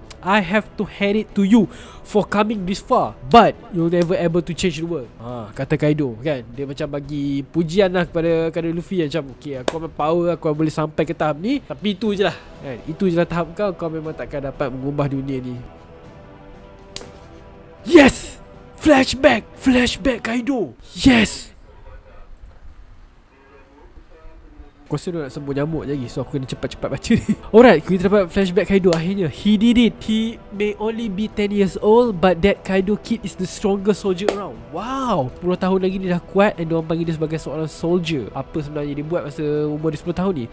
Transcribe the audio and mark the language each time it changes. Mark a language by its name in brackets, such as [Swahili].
[English] I have to hand it to you for coming this far, but you'll never able to change the world. [Malay] Kata Kaido kan. Dia macam bagi pujian lah kepada Kaido Luffy. Macam okay, aku ambil power, aku boleh sampai ke tahap ni. Tapi itu je lah kan? Itu je lah tahap kau. Kau memang takkan dapat mengubah dunia ni. [English] Yes! Flashback! Flashback Kaido! Yes! [Malay] Aku rasa dia nak sembuh nyamuk lagi, so aku kena cepat-cepat baca ni. [English] Alright, [Malay] kita dapat flashback Kaido akhirnya. [English] He did it. He may only be 10 years old, but that Kaido kid is the strongest soldier around. [Malay] Wow, 10 tahun lagi dia dah kuat and diorang panggil dia sebagai seorang soldier. Apa sebenarnya dia buat masa umur dia 10 tahun ni?